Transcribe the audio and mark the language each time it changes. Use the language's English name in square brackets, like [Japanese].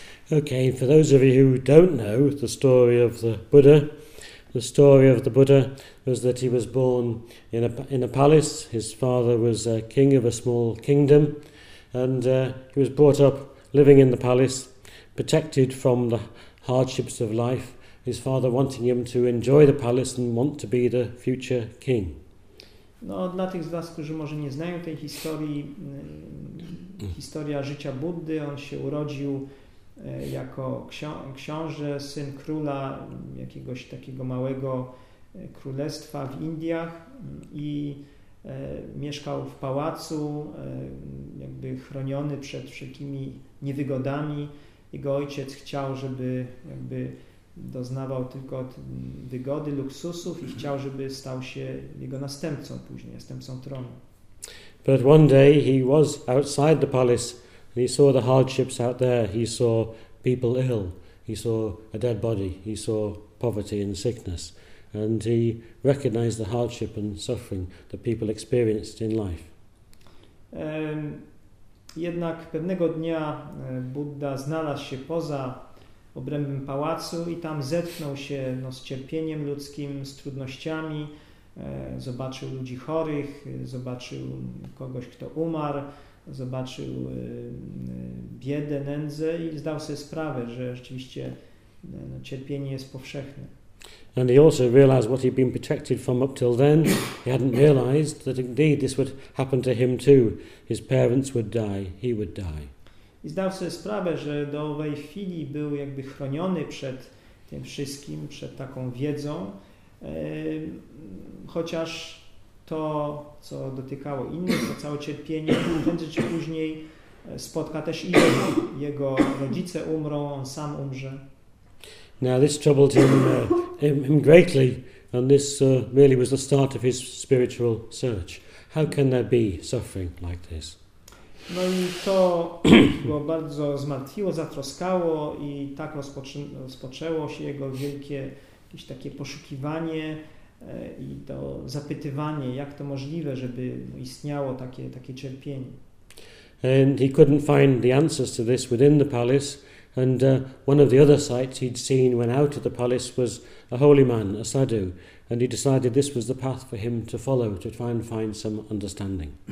[English] Okay, for those of you who don't know the story of the Buddha, the story of the Buddha was that he was born in a palace. His father was a king of a small kingdom, and he was brought up living in the palace, protected from the hardships of life, his father wanting him to enjoy the palace and want to be the future king. [Polish] No, dla tych z Was, którzy może nie znają tej historii, historia życia Buddy, on się urodził jako książę, syn króla jakiegoś takiego małego królestwa w Indiach i mieszkał w pałacu, jakby chroniony przed wszelkimi niewygodami. Jego ojciec chciał, żeby jakby doznawał tylko wygody, luksusów i chciał, żeby stał się jego następcą później, następcą tronu. [English] But one day he was outside the palace and he saw the hardships out there. He saw people ill. He saw a dead body. He saw poverty and sickness. And he recognized the hardship and suffering that people experienced in life. [Polish] Jednak pewnego dnia Budda znalazł się poza obrębem pałacu i tam zetknął się no, z cierpieniem ludzkim, z trudnościami, zobaczył ludzi chorych, zobaczył kogoś, kto umarł, zobaczył biedę, nędzę i zdał sobie sprawę, że rzeczywiście cierpienie jest powszechne. [English] And he also realized what he'd been protected from up till then. He hadn't realized that indeed this would happen to him too. His parents would die, he would die. [Polish] I zdał sobie sprawę, że do owej chwili był jakby chroniony przed tym wszystkim, przed taką wiedzą, chociaż to, co dotykało innych, to całe cierpienie, prędzej czy później spotka też i jego rodzice umrą, on sam umrze. [English] Now this troubled him greatly, and this really was the start of his spiritual search. How can there be suffering like this? [Polish] No i to go bardzo zmartwiło, zatroskało i tak rozpoczęło się jego wielkie jakieś takie poszukiwanie i to zapytywanie, jak to możliwe, żeby istniało takie cierpienie. [English] And he couldn't find the answers to this within the palace. And one of the other sights he'd seen when out of the palace was a holy man, a sadhu, and he decided this was the path for him to follow, to try and find some understanding.